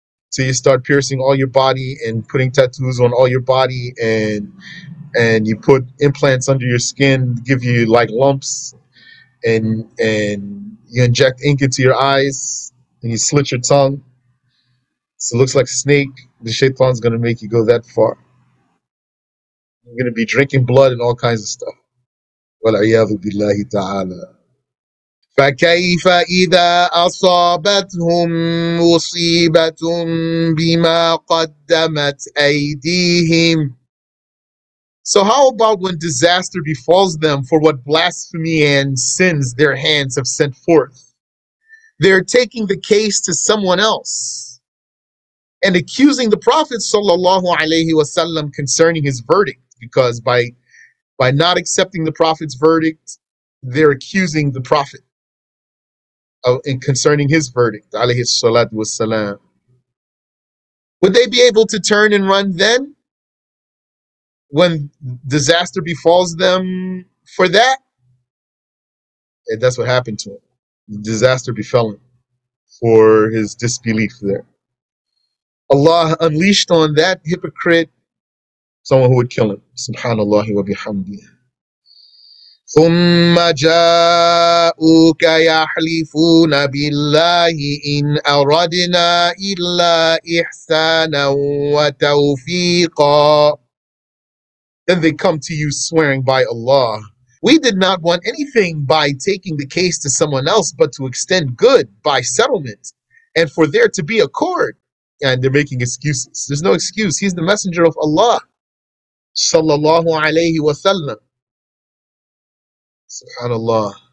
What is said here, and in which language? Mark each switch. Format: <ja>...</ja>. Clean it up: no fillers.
<en>So you start piercing all your body and putting tattoos on all your body and you put implants under your skin, give you like lumps, and you inject ink into your eyes and you slit your tongue. So it looks like a snake. The Shaytan's gonna make you go that far. You're gonna be drinking blood and all kinds of stuff.</en> <ar>والعياذ بالله تعالى فكيف إذا أصابتهم مصيبة بما قدمت أيديهم.</ar> <en>So how about when disaster befalls them for what blasphemy and sins their hands have sent forth? They're taking the case to someone else and accusing the Prophet sallallahu alayhi wasallam concerning his verdict, because by not accepting the Prophet's verdict, they're accusing the Prophet and concerning his verdict, alayhi salatu wasalam. Would they be able to turn and run then, when disaster befalls them for that? And that's what happened to him. The disaster befell him for his disbelief there. Allah unleashed on that hypocrite someone who would kill him.</en> <ar>Subhanallah wa bihamdihi. ثم جاءوك يحلفون بالله إن أردنا إلا إحسانا وتوفيقا.</ar> <en>Then they come to you swearing by Allah, we did not want anything by taking the case to someone else but to extend good by settlement and for there to be accord. And they're making excuses. There's no excuse. He's the messenger of Allah sallallahu alayhi wa sallam. Subhanallah.</en>